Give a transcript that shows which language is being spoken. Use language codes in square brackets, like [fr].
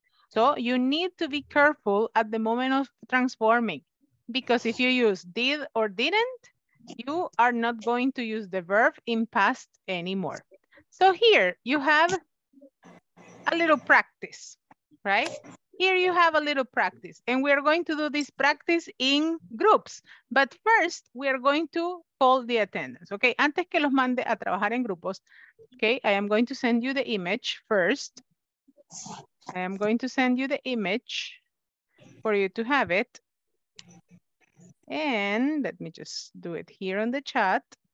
[en] So you need to be careful at the moment of transforming, because if you use did or didn't, you are not going to use the verb in past anymore. So here you have a little practice, right? Here you have a little practice, and we are going to do this practice in groups. But first, we are going to call the attendance, okay? [es] Antes que los mande a trabajar en grupos, okay? [en] I am going to send you the image first. I am going to send you the image for you to have it. And let me just do it here on the chat.